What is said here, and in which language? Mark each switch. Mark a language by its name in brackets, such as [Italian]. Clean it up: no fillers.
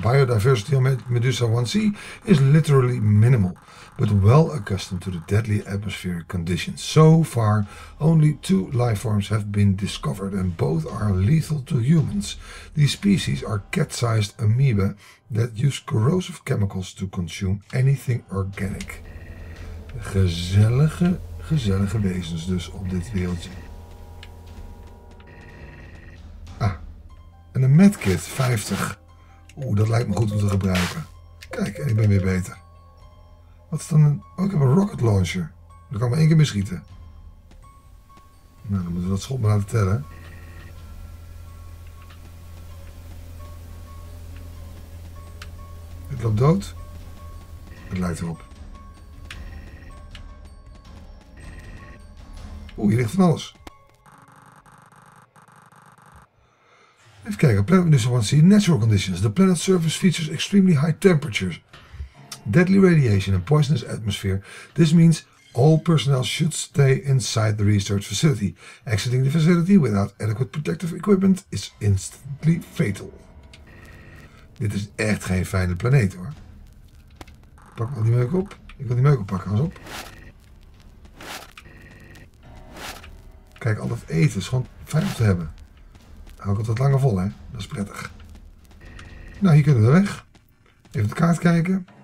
[English] Biodiversity on Medusa 1C is literally minimal, but well accustomed to the deadly atmospheric conditions. So far, only two life forms have been discovered and both are lethal to humans. These species are cat-sized amoeba that use corrosive chemicals to consume anything organic. [Dutch] Gezellige, gezellige wezens dus op dit wereldje. En een medkit, 50. Oeh, dat lijkt me goed om te gebruiken. Kijk, ik ben weer beter. Wat is dan een... Oh, ik heb een rocket launcher. Daar kan ik maar één keer mee schieten. Nou, dan moeten we dat schot maar laten tellen. Ik loop dood. Het lijkt erop. Oeh, hier ligt van alles. [English] Even kijken, Planet Medusa 1C, natural conditions. The planet's surface features extremely high temperatures, deadly radiation and poisonous atmosphere. This means all personnel should stay inside the research facility. Exiting the facility without adequate protective equipment is instantly fatal. [Dutch] Dit is echt geen fijne planeet hoor. Pak al die meuk op. Ik wil die meuk oppakken, pas op. Kijk, al dat eten is gewoon fijn om te hebben. Hou ik het wat langer vol, hè? Dat is prettig. Nou, hier kunnen we weg. Even de kaart kijken.